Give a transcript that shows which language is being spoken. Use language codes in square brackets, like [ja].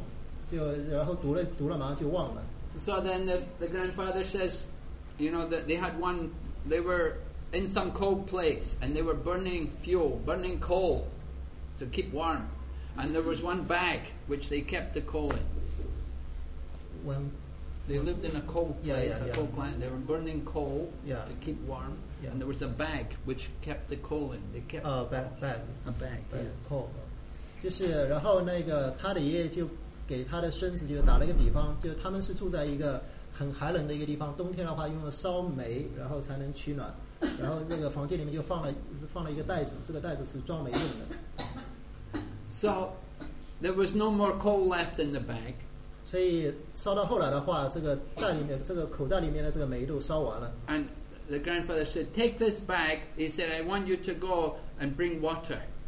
[zh] 就是有个例子，就是有一个小孩跟他的这个爷爷两个人一起在读这个《薄伽梵歌》，然后那个小孩就对他的爷爷说，他说我什么都读不懂，我上面什么都不懂，然后读了马上就忘了。 [en] So then the grandfather says, you know, that they had one, they were in some cold place, and they were burning fuel, burning coal to keep warm, and there was one bag which they kept the coal in. They lived in a cold place, a cold plant. They were burning coal to keep warm, yeah. And there was a bag which kept the coal in. They kept a bag. [zh] 就是，然后那个他的爷爷就给他的孙子就打了一个比方，就他们是住在一个很寒冷的一个地方，冬天的话用烧煤，然后才能取暖。然后那个房间里面就放了一个袋子，这个袋子是装煤用的。 [en] So there was no more coal left in the bag. [zh] 所以烧到后来的话，这个袋里面，这个口袋里面的这个煤都烧完了。 [en] And the grandfather said, "Take this bag." He said, "I want you to go and bring water."